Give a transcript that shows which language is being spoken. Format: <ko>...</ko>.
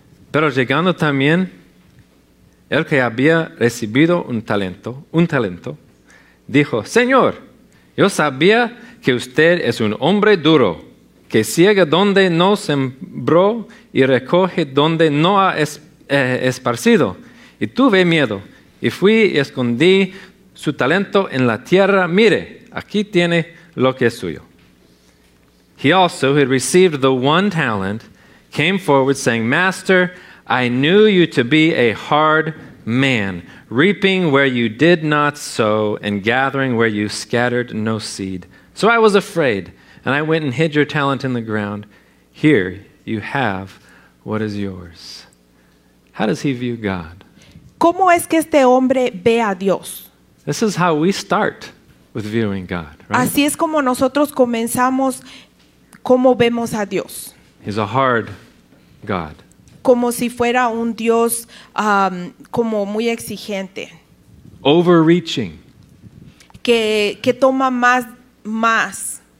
<es>Pero llegando también el que había recibido un talento, dijo, Señor, yo sabía que usted es un hombre duro, que siega donde no sembró y recoge donde no ha esparcido, y tuve miedo y fui y escondí su talento en la tierra. Mire, aquí tiene lo que es suyo.</es> <en>He also who had received the one talent came forward saying, Master, I knew you to be a hard man, reaping where you did not sow and gathering where you scattered no seed. So I was afraid and I went and hid your talent in the ground. Here you have what is yours. How does he view God?</en> <es>¿Cómo es que este hombre ve a Dios?</es> <en>This is how we start with viewing God, right?</en> <es>Así es como nosotros comenzamos cómo vemos a Dios.</es> <en>He's a hard God.</en> <es>Como si fuera un Dios como muy exigente.</es> <en>Overreaching.</en> <es>Que toma más.</es>